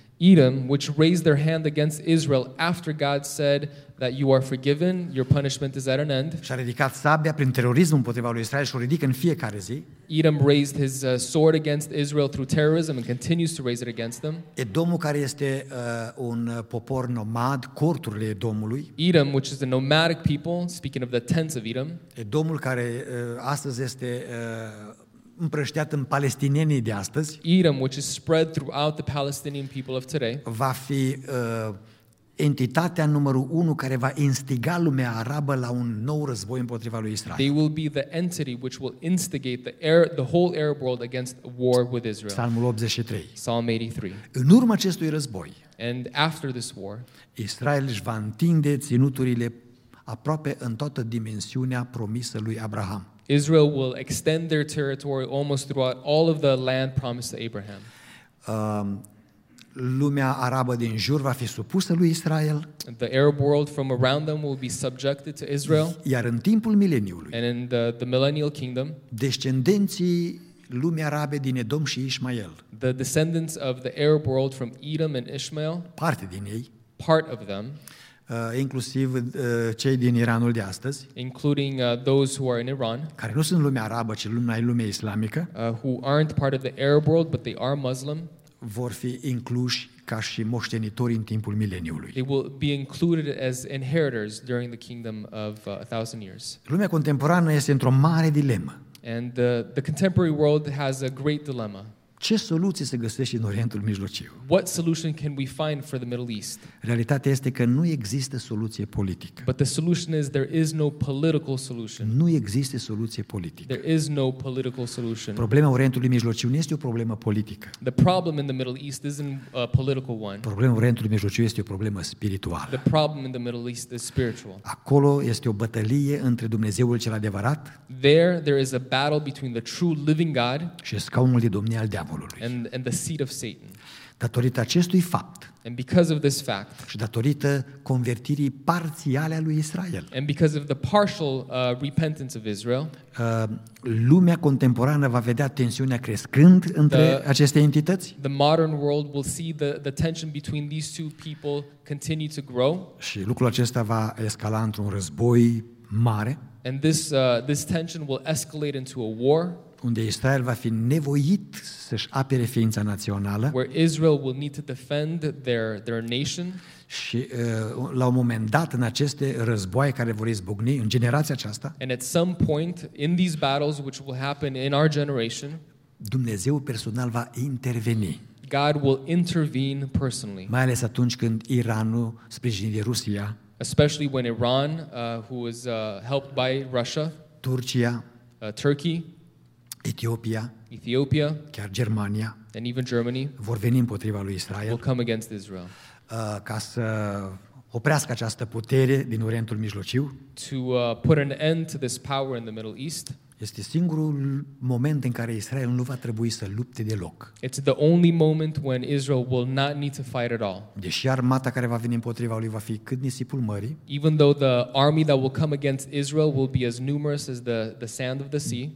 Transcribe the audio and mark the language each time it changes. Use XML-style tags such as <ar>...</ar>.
<en>Edom, which raised their hand against Israel after God said that you are forgiven, your punishment is at an end.</en> <ro>Și a ridicat sabia prin terorism împotriva lui Israel și o ridică în fiecare zi.</ro> <en>Edom raised his sword against Israel through terrorism and continues to raise it against them.</en> <ro>Edomul, care este un popor nomad, corturile Edomului.</ro> <en>Edom, which is a nomadic people, speaking of the tents of Edom.</en> <ro>Edomul, care astăzi este împrăștiat în palestinienii de astăzi.</ro> <en>Edom, which is spread throughout the Palestinian people of today.</en> <ro>Va fi entitatea numărul unu care va instiga lumea arabă la un nou război împotriva lui Israel.</ro> <en>They will be the entity which will instigate the whole Arab world against war with Israel.</en> <ro>Psalmul 83.</ro> <en>Psalm 83.</en> <ro>În urma acestui război,</ro> <en>and after this war,</en> <ro>Israel își va întinde ținuturile aproape în toată dimensiunea promisă lui Abraham.</ro> <en>Israel will extend their territory almost throughout all of the land promised to Abraham.</en> <ro>Lumea arabă din jur va fi supusă lui Israel.</ro> <en>The Arab world from around them will be subjected to Israel.</en> <ro>Iar în timpul mileniului,</ro> <en>and in the millennial kingdom,</en> <ro>descendenții lumii arabe din Edom și Ismael,</ro> <en>the descendants of the Arab world from Edom and Ishmael,</en> <ro>parte din ei,</ro> <en>part of them,</en> <ro>inclusiv cei din Iranul de astăzi,</ro> <en>including those who are in Iran,</en> <ro>care nu sunt lumea arabă, ci lumea islamică,</ro> <en>who aren't part of the Arab world, but they are Muslim,</en> <ro>vor fi incluși ca și moștenitori în timpul mileniului.</ro> <en>They will be included as inheritors during the kingdom of 1,000 years.</en> <ro>Lumea contemporană este într-o mare dilemă.</ro> <en>And the contemporary world has a great dilemma.</en> <ro>Ce soluție se găsește în Orientul Mijlociu?</ro> <en>What solution can we find for the Middle East?</en> <ro>Realitatea este că nu există soluție politică.</ro> <en>But the solution is there is no political solution.</en> <ro>Nu există soluție politică.</ro> <en>There is no political solution.</en> <ro>Problema Orientului Mijlociu nu este o problemă politică.</ro> <en>The problem in the Middle East isn't a political one.</en> <ro>Problema Orientului Mijlociu este o problemă spirituală.</ro> <en>The problem in the Middle East is spiritual.</en> <ro>Acolo este o bătălie între Dumnezeul cel adevărat.</ro> <en>There is a battle between the true living God.</en> <ro>Și scaunul de domnie al</ro> <en>And the seat of Satan.</en> <ro>Datorită acestui fapt.</ro> <en>And because of this fact.</en> <ro>Și datorită convertirii parțiale a lui Israel.</ro> <en>And because of the partial repentance of Israel.</en> <ro>Lumea contemporană va vedea tensiunea crescând între aceste entități.</ro> <en>The modern world will see the tension between these two people continue to grow.</en> <ro>Și lucrul acesta va escala într-un război mare.</ro> <en>And this tension will escalate into a war.</en> <ro>Unde Israel va fi nevoit să-și apere ființa națională.</ro> <en>Where Israel will need to defend their nation.</en> <ro>Și la un moment dat în aceste războaie care vor izbucni în generația aceasta.</ro> <en>And at some point in these battles which will happen in our generation.</en> <ro>Dumnezeu personal va interveni.</ro> <en>God will intervene personally.</en> <ro>Mai ales atunci când Iranul sprijinit de Rusia.</ro> <en>Especially when Iran, who is helped by Russia.</en> <ro>Turcia.</ro> <en>Turkey.</en> <ro>Etiopia, chiar Germania,</ro> <en>and even Germany,</en> <ro>vor veni împotriva lui Israel,</ro> <en>will come against Israel.</en> <ro>Ca să oprească această putere din Orientul Mijlociu.</ro> <en>To put an end to this power in the Middle East.</en> <ro>Este singurul moment în care Israel nu va trebui să lupte deloc.</ro> <en>It's the only moment when Israel will not need to fight at all.</en> <ro>Deși armata care va veni împotriva lui va fi cât nisipul mării.</ro> <en>Even though the army that will come against Israel will be as numerous as the sand of the sea.</en>